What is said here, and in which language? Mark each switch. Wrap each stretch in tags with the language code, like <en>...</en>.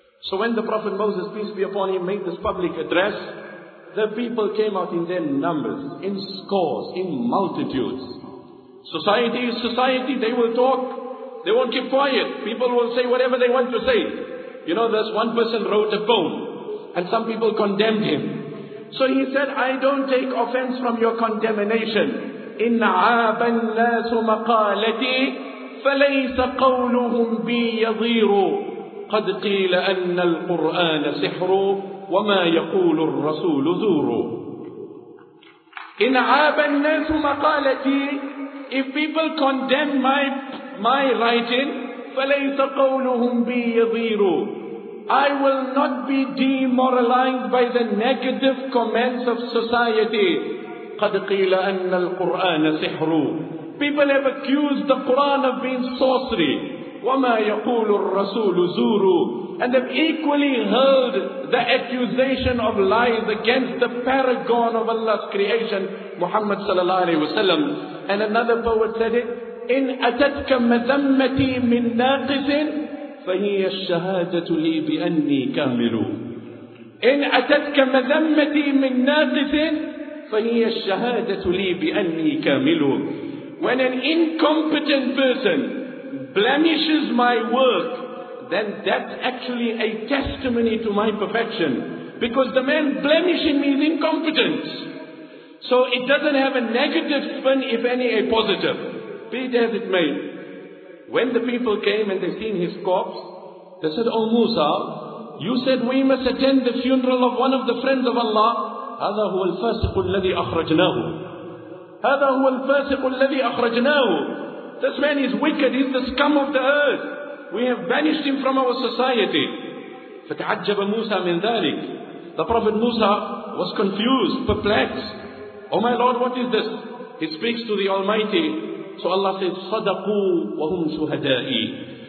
<en>So when the Prophet Moses, peace be upon him, made this public address, the people came out in their numbers, in scores, in multitudes. Society is society. They will talk. They won't keep quiet. People will say whatever they want to say. You know, this one person wrote a poem and some people condemned him. So he said, I don't take offense from your condemnation.</en> <ar>إِنَّ عَابَ النَّاسُ مَقَالَتِي فَلَيْسَ قَوْلُهُمْ بِي يَضِيرُ قَدْ قِيلَ أَنَّ الْقُرْآنَ سِحْرُ وَمَا يَقُولُ الرَّسُولُ زُورُ إِنْ عَابَ النَّاسُ مَقَالَتِي</ar> <en>If people condemn my writing,</en> <ar>فَلَيْسَ قَوْلُهُمْ بِي يَضِيرُ</ar> <en>I will not be demoralized by the negative comments of society.</en> <ar>قَدْ قِيلَ أَنَّ الْقُرْآنَ سِحْرُ</ar> <en>People have accused the Quran of being sorcery.</en> <ar>وَمَا يَقُولُ الرَّسُولُ زُورُ</ar> <en>And have equally hurled the accusation of lies against the paragon of Allah's creation, Muhammad sallallahu alayhi wa sallam. And another poet said it,</en> <ar>إِنْ أَتَتْكَ مَذَمَّتِي مِنْ نَاقِسٍ فَهِيَ الشَّهَادَةُ لِي بِأَنِّي كَامِلُ</ar> <en>إِنْ أَتَتْكَ مَذَمَّتِي مِنْ نَاقِسٍ فَهِيَ الشَّهَادَةُ لِي بِأَنِّي كَامِلُ When an incompetent person blemishes my work, then that's actually a testimony to my perfection. Because the man blemishing me is incompetence. So it doesn't have a negative spin, if any, a positive. Be it as it may. When the people came and they seen his corpse, they said, Oh Musa, you said we must attend the funeral of one of the friends of Allah.</en> <ar>هذا هو الفاسق الذي أخرجناه. هذا هو الفاسق الذي أخرجناه.</ar> <en>This man is wicked, he's the scum of the earth. We have banished him from our society.</en> <ar>فتعجب موسى من ذلك.</ar> <en>The Prophet Musa was confused, perplexed. Oh my Lord, what is this? He speaks to the Almighty. So Allah says,</en> <ar>صدقوا وهم شهدائي.</ar>